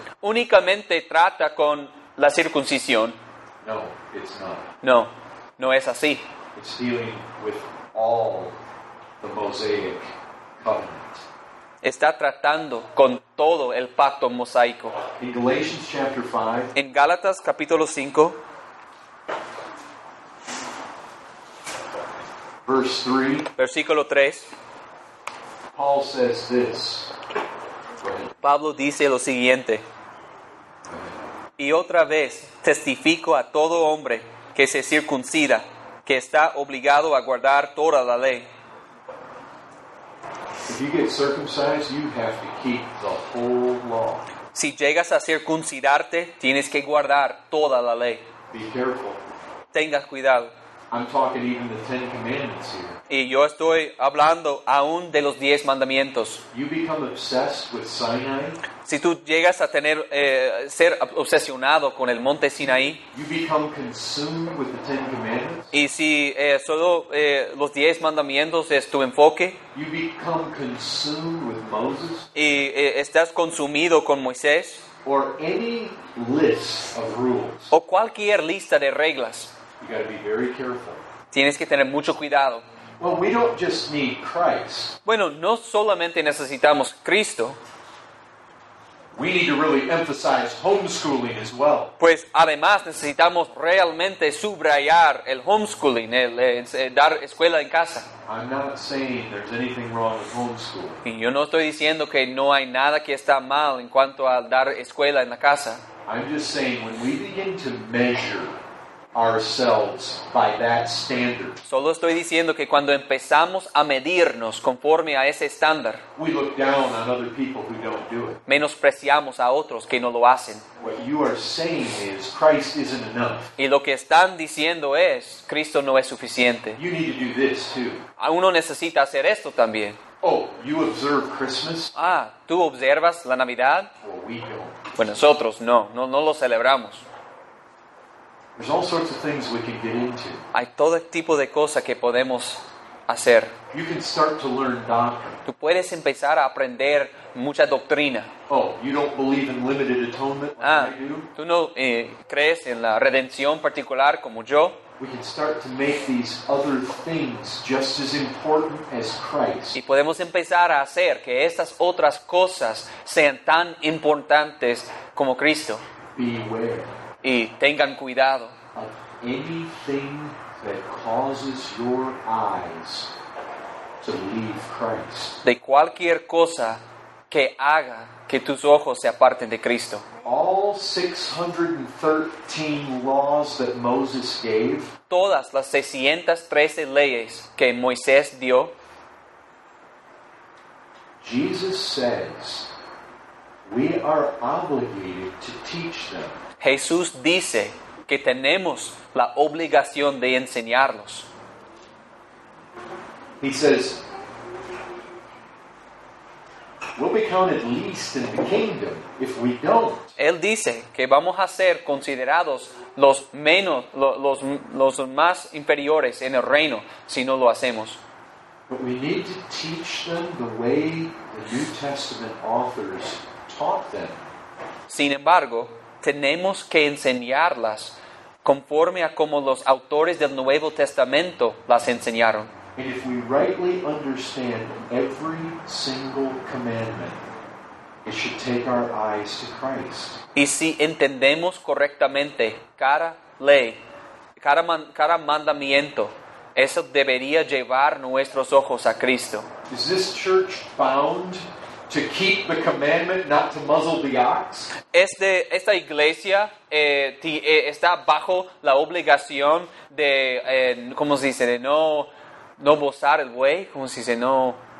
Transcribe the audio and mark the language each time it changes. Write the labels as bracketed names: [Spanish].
[Spanish] Únicamente trata con la circuncisión. [English] No, it's not. [Spanish] No, no es así. [English] It's dealing with all the Mosaic covenant. [Spanish] Está tratando con todo el pacto mosaico. [English] In Galatians chapter 5, [Spanish] en Gálatas capítulo 5, versículo 3, [English] Paul says this. [Spanish] Pablo dice lo siguiente: y otra vez testifico a todo hombre que se circuncida, que está obligado a guardar toda la ley. [English] If you get circumcised, you have to keep the whole law. [Spanish] Si llegas a circuncidarte, tienes que guardar toda la ley. [English] Be careful. [Spanish] Tengas cuidado. [English] I'm talking even the Ten Commandments here. [Spanish] Y yo estoy hablando aún de los 10 mandamientos. [English] You become obsessed with Sinai. [Spanish] Si tú llegas a tener ser obsesionado con el Monte Sinaí. [English] You become consumed with the Ten Commandments. [Spanish] Y si solo los 10 mandamientos es tu enfoque. [English] You become consumed with Moses. [Spanish] Y estás consumido con Moisés. [English] Or any list of rules. [Spanish] O cualquier lista de reglas. [English] You gotta be very careful. [Spanish] Tienes que tener mucho cuidado. [English] Well, we don't just need Christ. [Spanish] Bueno, no solamente necesitamos Cristo. [English] We need to really emphasize homeschooling as well. [Spanish] Pues además necesitamos realmente subrayar el homeschooling, el dar escuela en casa. [English] I'm not saying there's anything wrong with homeschooling. [Spanish] Y yo no estoy diciendo que no hay nada que está mal en cuanto a dar escuela en la casa. [English] I'm just saying when we begin to measure ourselves by that standard. [Spanish] Solo estoy diciendo que cuando empezamos a medirnos conforme a ese estándar, [English] we look down on other people who don't do it. [Spanish] Menospreciamos a otros que no lo hacen. [English] What you are saying is Christ isn't enough. [Spanish] Y lo que están diciendo es Cristo no es suficiente. [English] You need to do this too. [Spanish] Uno necesita hacer esto también. [English] Oh, you observe Christmas? [Spanish] Ah, ¿tú observas la Navidad? [English] Well, we don't. [Spanish] Bueno, nosotros no lo celebramos. [English] There's all sorts of things we can get into. [Spanish] Hay todo tipo de cosas que podemos hacer. [English] You can start to learn doctrine. [Spanish] Tú puedes empezar a aprender mucha doctrina. [English] Oh, you don't believe in limited atonement like I do? [Spanish] Tú no crees en la redención particular como yo. [English] We can start to make these other things just as important as Christ. [Spanish] Y podemos empezar a hacer que estas otras cosas sean tan importantes como Cristo. [English] Beware. [Spanish] Y tengan cuidado. [English] Of anything that causes your eyes to leave Christ. [Spanish] De cualquier cosa que haga que tus ojos se aparten de Cristo. [English] All 613 laws that Moses gave. [Spanish] Todas las 613 leyes que Moisés dio. [English] Jesus says, we are obligated to teach them. [Spanish] Jesús dice que tenemos la obligación de enseñarlos. [English] He says, We'll be counted least in the kingdom if we don't. [Spanish] Él dice que vamos a ser considerados los menos, los más inferiores en el reino si no lo hacemos. [English] But we need to teach them the way the New Testament authors taught them. [Spanish] Sin embargo, tenemos que enseñarlas conforme a como los autores del Nuevo Testamento las enseñaron. [English] And if we rightly understand every single commandment, it should take our eyes to Christ. [Spanish] Y si entendemos correctamente cada ley, cada mandamiento, eso debería llevar nuestros ojos a Cristo. [English] Is this church bound to keep the commandment not to muzzle the ox? [Spanish] Esta iglesia está bajo la obligación de, ¿cómo se dice? No bozar el buey, como si se no...